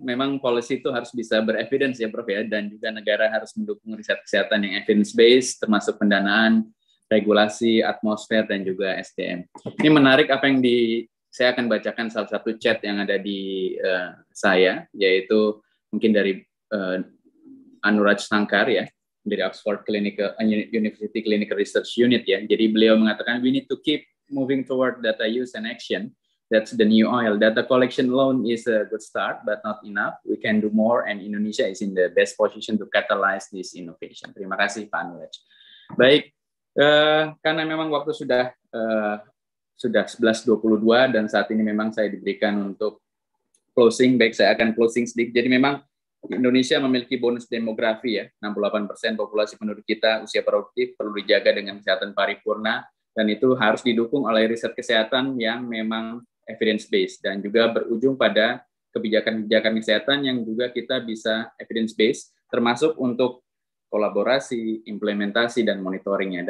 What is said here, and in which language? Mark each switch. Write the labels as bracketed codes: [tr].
[id] Memang policy itu harus bisa berevidence ya Prof ya, dan juga negara harus mendukung riset kesehatan yang evidence-based termasuk pendanaan, regulasi, atmosfer, dan juga SDM. Ini menarik apa yang saya akan bacakan salah satu chat yang ada di saya, yaitu mungkin dari Anuraj Sankar ya, dari Oxford Clinical University Clinical Research Unit ya. Jadi beliau mengatakan, [en] we need to keep moving toward data use and action. That's the new oil. Data collection alone is a good start, but not enough. We can do more, and Indonesia is in the best position to catalyze this innovation. [id] Terima kasih, Pak Anuraj. Baik. Karena memang waktu sudah 11.22 dan saat ini memang saya diberikan untuk closing, baik saya akan closing sedikit. Jadi memang Indonesia memiliki bonus demografi ya, 68% populasi penduduk kita usia produktif perlu dijaga dengan kesehatan paripurna dan itu harus didukung oleh riset kesehatan yang memang evidence-based dan juga berujung pada kebijakan-kebijakan kesehatan yang juga kita bisa evidence-based termasuk untuk kolaborasi, implementasi, dan monitoringnya.